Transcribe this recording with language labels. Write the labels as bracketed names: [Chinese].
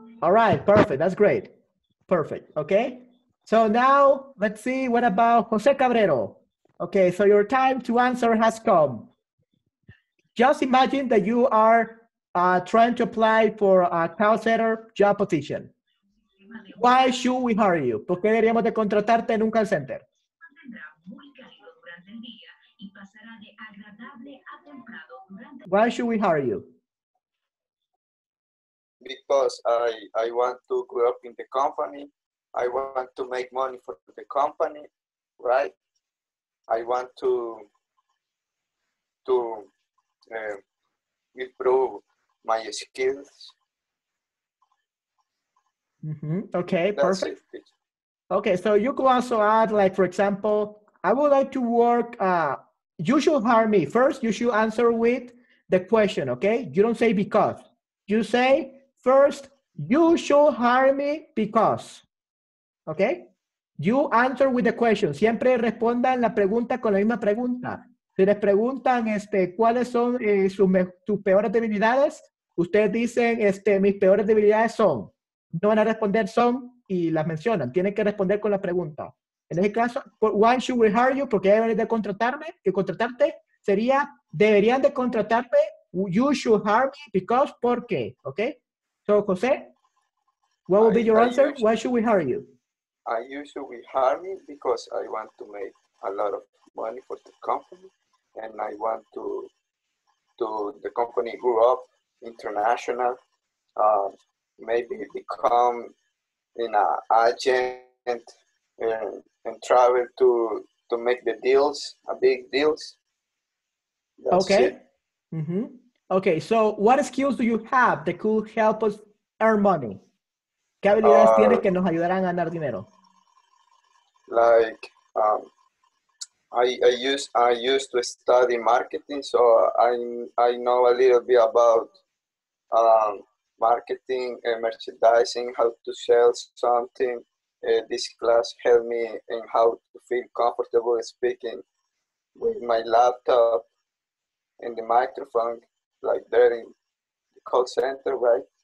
[English] All right, perfect. That's great. Perfect, okay? So now, let's see, what about Jose Cabrero? Okay, so your time to answer has come. Just imagine that you are trying to apply for a call center job position. Why should we hire you? [Spanish] ¿Por qué deberíamos de contratarte en un call center? [English] Why should we hire you? Because I want to grow up in the company. I want to make money for the company, right? I want to improve my skills. Mm-hmm. Okay, that's perfect. Okay, so you could also add, like, for example, I would like to work, you should hire me. First, you should answer with the question, okay? You don't say because. You say, first, you should hire me because. Okay? You answer with the question. [Spanish] Siempre respondan la pregunta con la misma pregunta. Si les preguntan cuáles son tus peores debilidades, ustedes dicen mis peores debilidades son. No van a responder son y las mencionan. Tienen que responder con la pregunta. En ese caso, [English] why should we hire you? [Spanish] Porque deberían de contratarte. Sería, deberían de contratarme. [English] You should hire me because, [Spanish] ¿por qué? [English] Okay. So, José, what will be your answer? Why should we hire you? I usually hire me because I want to make a lot of money for the company and I want to the company grow up international, maybe become an agent and travel to make the deals, a big deals. That's okay. Mm-hmm. Okay, so what skills do you have that could help us earn money? [Spanish] ¿Qué habilidades tienes que nos ayudarán a ganar dinero? [English] Like I used to study marketing, so I know a little bit about marketing and merchandising, how to sell something. This class helped me in how to feel comfortable speaking with my laptop and the microphone, like during the call center, right?